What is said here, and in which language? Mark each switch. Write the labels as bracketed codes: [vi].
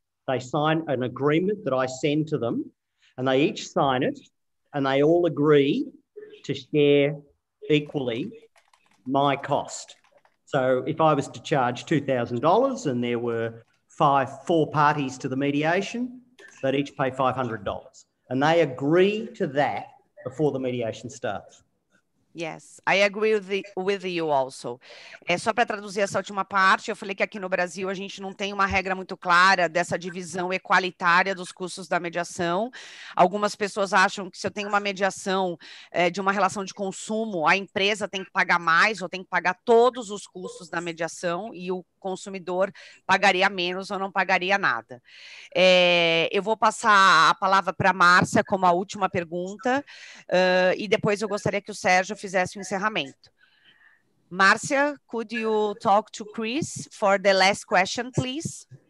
[en] They sign an agreement that I send to them, and they each sign it, and they all agree to share equally my cost. So if I was to charge $2,000 and there were four parties to the mediation, they'd each pay $500. And they agree to that before the mediation starts. Yes, I agree with you also. [pt] É só para traduzir essa última parte, eu falei que aqui no Brasil a gente não tem uma regra muito clara dessa divisão equalitária dos custos da mediação. Algumas pessoas acham que se eu tenho uma mediação de uma relação de consumo, a empresa tem que pagar mais ou tem que pagar todos os custos da mediação e o consumidor pagaria menos ou não pagaria nada. É, eu vou passar a palavra para a Márcia como a última pergunta e depois eu gostaria que o Sérgio fizesse o encerramento. [en] Márcia, could you talk to Chris for the last question, please?